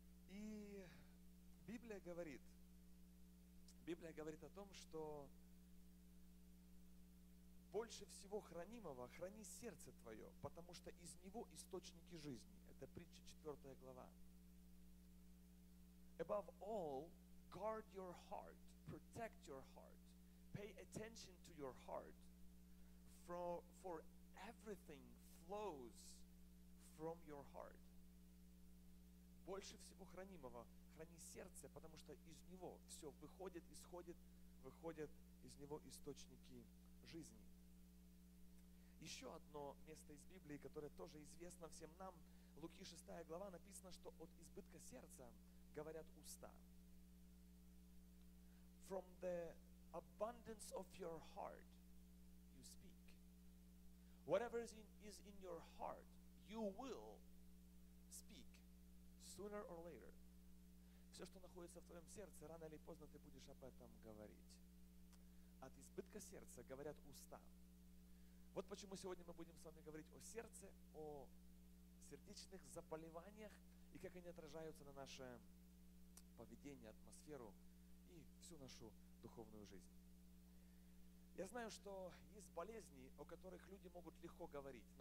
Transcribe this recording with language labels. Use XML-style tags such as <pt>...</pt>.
<ru>И Библия говорит о том, что больше всего хранимого храни сердце твое, потому что из него источники жизни. Это притча 4 глава.</ru> <en>Above all, guard your heart, protect your heart, pay attention to your heart, for everything flows from your heart.</en> <ru>Больше всего хранимого храни сердце, потому что из него все выходит, исходит, выходят из него источники жизни. Еще одно место из Библии, которое тоже известно всем нам, Луки 6 глава, написано, что от избытка сердца говорят уста.</ru> <en>From the abundance of your heart, you speak. Whatever is in your heart, you will speak sooner or later.</en> <ru>Все, что находится в твоем сердце, рано или поздно ты будешь об этом говорить. От избытка сердца говорят уста. Вот почему сегодня мы будем с вами говорить о сердце, о сердечных заболеваниях и как они отражаются на наше поведение, атмосферу и всю нашу духовную жизнь. Я знаю, что есть болезни, о которых люди могут легко говорить.</ru>